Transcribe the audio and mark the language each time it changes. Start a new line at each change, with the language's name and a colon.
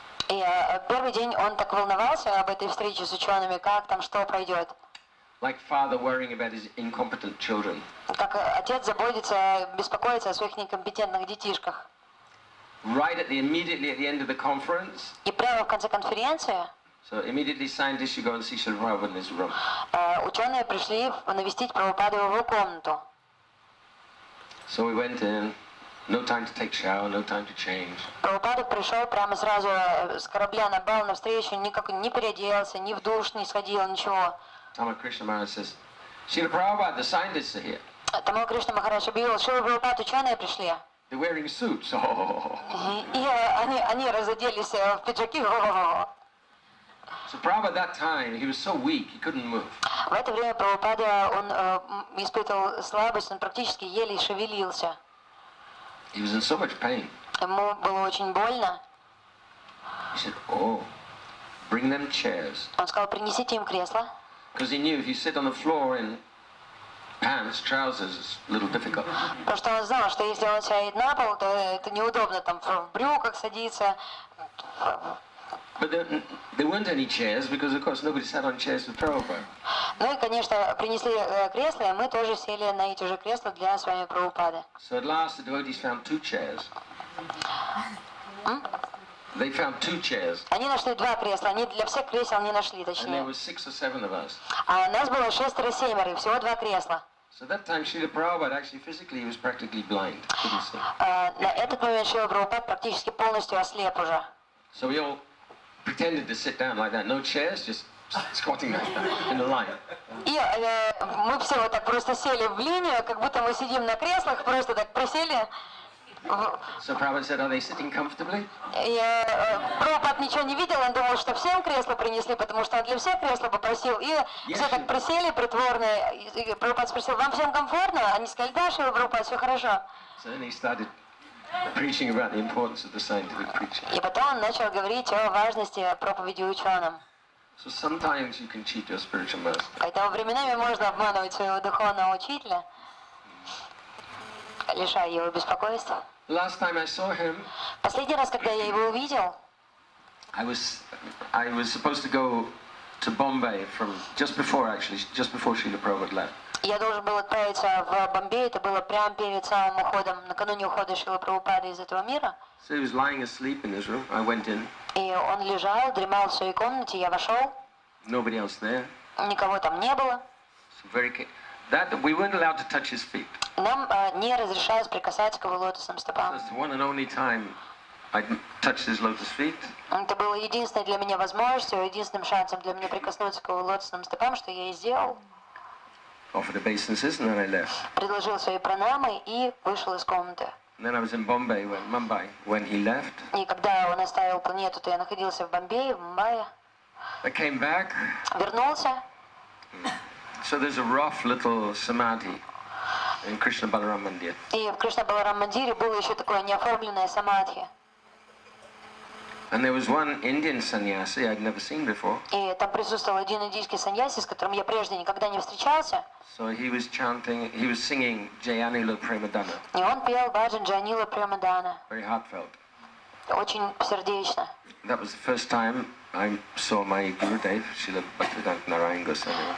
Russian: И первый день он так волновался об этой встрече с учеными, как там, что пройдет.
English: Like father worrying about his incompetent children.
Russian: Как отец заботится, беспокоится о своих некомпетентных детишках.
English: Immediately at the end of the conference.
Russian: И прямо в конце конференции.
English: So immediately scientists should go and see Shri Prabhupada in his room.
Russian: Ученые пришли навестить Прабхупаду в его комнату.
English: So we went in. No time to take shower, no time to change.
Russian: Прабхупада пришел прямо сразу с корабля на бал на встречу, никак не переоделся, ни в душ не сходил, ничего.
English: Tamakrishna Maharaj says, "Shrila Prabhupada, the scientists are here."
Russian: Tamakrishna Maharaj объявил, Шрила Прабхупада, ученые пришли.
English: They're wearing suits.
Russian: И они разоделись в пиджаки.
English: So Prabhupada, that time, he was so weak, he couldn't move.
Russian: В это время Прабхупада он испытывал слабость, он практически еле шевелился.
English: He was in so much pain.
Russian: Ему было очень больно.
English: He said, "Oh, Bring them chairs.
Russian: Он сказал, принесите им кресла.
English: Because he knew if you sit on the floor in pants, trousers, it's a little difficult.
Russian: Потому что он знал, что если он сядет на пол, то это неудобно там в брюках садиться.
English: But there weren't any chairs because, of course, nobody sat on chairs with Prabhupada.
Russian: Ну и конечно принесли кресла, и мы тоже сели на эти же кресла для с вами Прабхупады.
English: So at last the devotees found two chairs. They found two chairs.
Russian: Они нашли два кресла. Они для всех кресел не нашли, точнее.
English: And there were six or seven of us.
Russian: А нас было шестеро, семеро, всего два кресла.
English: So that time Srila Prabhupada actually physically was practically blind.
Russian: На этот момент Шрила Прабхупад практически полностью ослеп уже.
English: So we all pretended to sit down like that. No chairs, just squatting like that in a line.
Russian: И мы все вот так просто сели в линию, как будто мы сидим на креслах, просто так присели.
English: So Prabhupada said, are they sitting comfortably?
Russian: Prabhupada ничего не видел, он думал, что всем кресло принесли, потому что он для всех кресло попросил. И все так присели притворные. Прабхупада спросил, вам всем комфортно? Они сказали, да, Шрила Прабхупада, все хорошо.
English: So then he started preaching about the importance of the scientific preaching.
Russian: И потом он начал говорить о важности проповеди ученым.
English: So sometimes you can cheat your spiritual master.
Russian: Поэтому временами можно обманывать своего духовного учителя, лишая его беспокойства.
English: Last time I saw him,
Russian: последний раз, когда я его увидел,
English: I was supposed to go to Bombay from just before Srila Prabhupada left.
Russian: Я должен был отправиться в Бомбей, это было прямо перед самым уходом, накануне ухода Шрилы Прабхупады из этого мира.
English: So he was lying asleep in his room. I went in.
Russian: И он лежал, дремал в своей комнате, я вошел.
English: Nobody else there.
Russian: Никого там не было.
English: So very key. That we weren't allowed to touch his feet.
Russian: Нам не разрешалось прикасаться к его лотосным стопам.
English: That's the one and only time I touched his lotus feet.
Russian: Это было единственной для меня возможностью, единственным шансом для меня прикоснуться к его лотосным стопам, что я и сделал.
English: Offered obeisances and then I left.
Russian: Предложил свои пранамы и вышел из комнаты.
English: And then I was in Bombay when he left.
Russian: И когда он оставил планету, то я находился в Бомбее, в Мумбаи.
English: I came back.
Russian: Вернулся.
English: So there's a rough little samadhi in Krishna Balaram Mandir.
Russian: И в Кришна Баларам Мандире было еще такое неоформленное самадхи.
English: And there was one Indian sannyasi I'd never seen before.
Russian: И там присутствовал один индийский саньяси, с которым я прежде никогда не встречался.
English: So he was chanting, he was singing Jayanila Premadana.
Russian: И он пел баджан Джанила Премадана.
English: Very heartfelt.
Russian: Очень сердечно.
English: That was the first time I saw my Gurudev, Srila Bhaktivedanta Narayan Goswami.